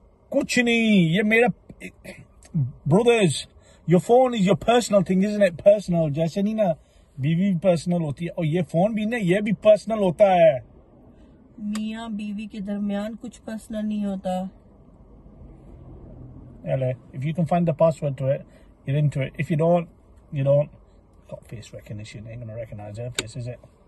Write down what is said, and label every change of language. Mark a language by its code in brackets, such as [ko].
[ur] کچھ نہیں. یہ میرا brothers. [en] Your phone is your personal thing, isn't it? Personal. [ur] جیسے نہیں نا, بیوی پرسنل ہوتی ہے. اور یہ فون بھی نا, یہ بھی پرسنل ہوتا ہے. मियां बीवी के दरमियान कुछ पर्सनल नहीं होता. [en] Hello. If you can find the password to it, you're into it. If you don't, you don't. Got face recognition. Ain't gonna recognize her face, is it?